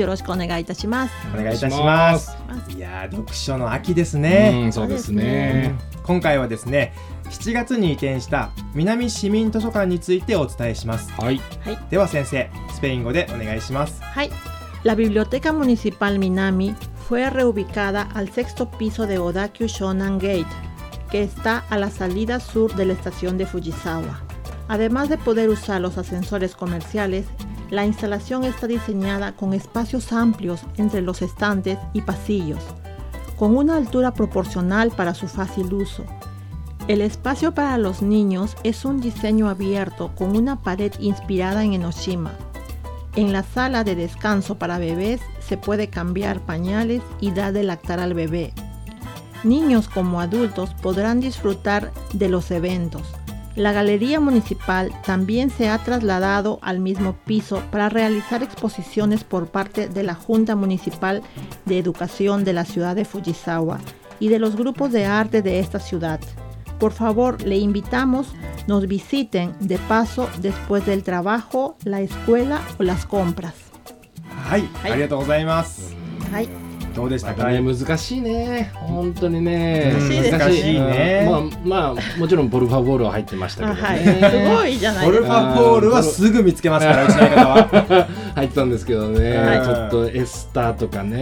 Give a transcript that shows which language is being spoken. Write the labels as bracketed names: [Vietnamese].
[Japanese] よろしくお願いいたします。お願いいたします。いや、読書の秋ですね。そうですね。今回はですね、7月に移転した南市民図書館についてお伝えします。はい。では先生、スペイン語でお願いします。はい。 [Spanish] La biblioteca municipal Minami fue reubicada al sexto piso de Odakyu Shonan Gate, que está a la salida sur de la estación de Fujisawa. Además de poder usar los ascensores comerciales,La instalación está diseñada con espacios amplios entre los estantes y pasillos, con una altura proporcional para su fácil uso. El espacio para los niños es un diseño abierto con una pared inspirada en Enoshima. En la sala de descanso para bebés se puede cambiar pañales y dar de lactar al bebé. Niños como adultos podrán disfrutar de los eventos. La Galería Municipal también se ha trasladado al mismo piso para realizar exposiciones por parte de la Junta Municipal de Educación de la ciudad de Fujisawa y de los grupos de arte de esta ciudad. Por favor, le invitamos, nos visiten de paso después del trabajo, la escuela o las compras. ¡Ay! [Japanese] ¡ありがとうございます! ¡Ay! どうでしたか、まあ、難しいね本当にね難しいね、まあ、もちろんボルファボールは入ってましたけど、ね、はい、すごいじゃないボルファボールはすぐ見つけますからうちの方は入ったんですけどね、はい、ちょっとエスターとかね